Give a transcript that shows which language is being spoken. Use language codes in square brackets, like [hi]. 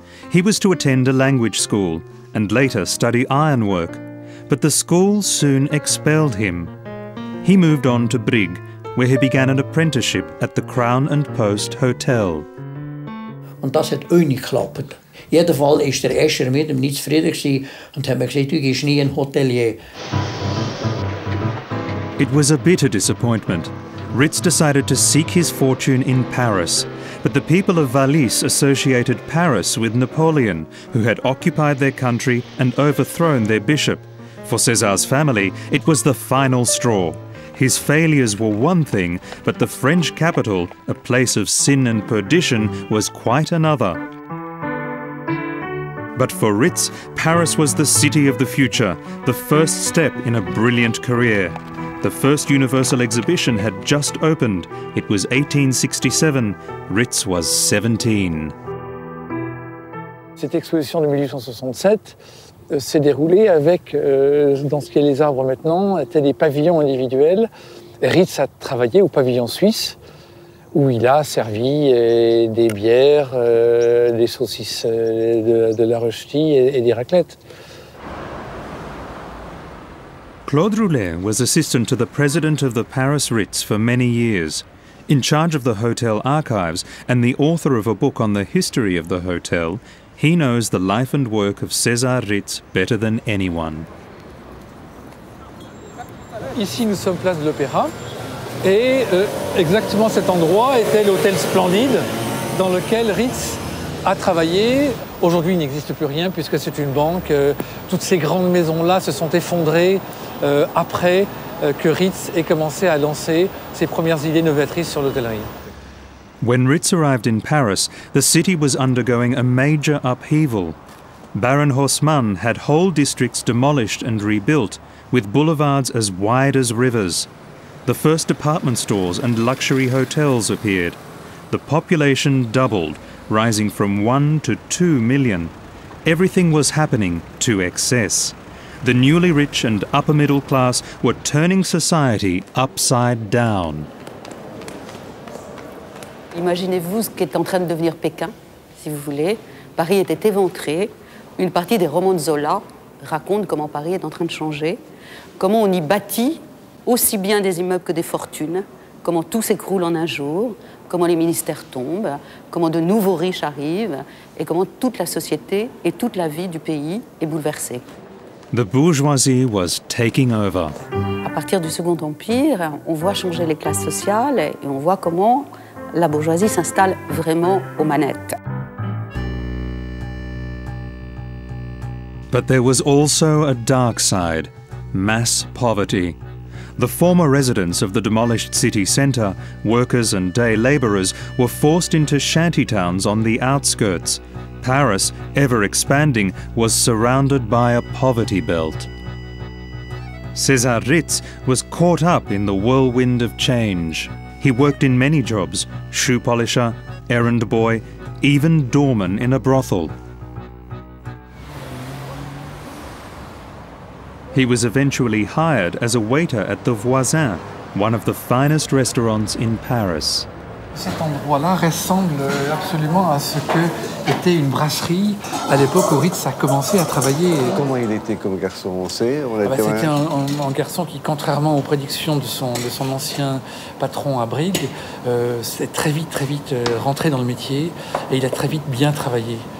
[en] He was to attend a language school and later study ironwork, but the school soon expelled him. He moved on to Brig, where he began an apprenticeship at the Crown and Post Hotel. [de] Und das hat auch nicht geklappt. Jeder Fall ist der Escher mit ihm nicht zufrieden gewesen und hat mir gesagt, du gehst nie ein Hotelier. [en] It was a bitter disappointment. Ritz decided to seek his fortune in Paris, but the people of Valais associated Paris with Napoleon, who had occupied their country and overthrown their bishop. For César's family, it was the final straw. His failures were one thing, but the French capital, a place of sin and perdition, was quite another. But for Ritz, Paris was the city of the future, the first step in a brilliant career. The first Universal Exhibition had just opened. It was 1867. Ritz was 17. [fr] Cette exposition de 1867 s'est déroulée avec, dans ce qu'est les arbres maintenant, étaient des pavillons individuels. Ritz a travaillé au pavillon suisse, où il a servi des bières, des saucisses de la rostie et des raclettes. [en] Claude Roulet was assistant to the president of the Paris Ritz for many years, in charge of the hotel archives and the author of a book on the history of the hotel. He knows the life and work of César Ritz better than anyone. [fr] Ici nous sommes place de l'Opéra et exactement cet endroit était l'hôtel Splendide dans lequel Ritz a travaillé. Aujourd'hui, il n'existe plus rien puisque c'est une banque. Toutes ces grandes maisons-là se sont effondrées après que Ritz ait commencé à lancer ses premières idées novatrices sur l'hôtellerie. [en] When Ritz arrived in Paris, the city was undergoing a major upheaval. Baron Haussmann had whole districts demolished and rebuilt, with boulevards as wide as rivers. The first department stores and luxury hotels appeared. The population doubled, rising from 1 to 2 million. Everything was happening to excess. The newly rich and upper middle class were turning society upside down. [fr] Imaginez-vous ce qui est en train de devenir Pékin, si vous voulez. Paris était éventré. Une partie des romans de Zola raconte comment Paris est en train de changer, comment on y bâtit aussi bien des immeubles que des fortunes, comment tout s'écroule en un jour, comment les ministères tombent, comment de nouveaux riches arrivent et comment toute la société et toute la vie du pays est bouleversée. [en] The bourgeoisie was taking over. [fr] À partir du Second Empire, on voit changer les classes sociales et on voit comment la bourgeoisie s'installe vraiment aux manettes. [en] But there was also a dark side, mass poverty. The former residents of the demolished city centre, workers and day labourers, were forced into shanty towns on the outskirts. Paris, ever expanding, was surrounded by a poverty belt. César Ritz was caught up in the whirlwind of change. He worked in many jobs, shoe polisher, errand boy, even doorman in a brothel. He was eventually hired as a waiter at the Voisin, one of the finest restaurants in Paris. [fr] Cet endroit-là ressemble absolument à ce que était une brasserie à l'époque où Ritz a commencé à travailler. Comment il était comme garçon, on sait. C'était un garçon qui, contrairement aux prédictions de son ancien patron à Brig, s'est très vite rentré dans le métier et il a très vite bien travaillé.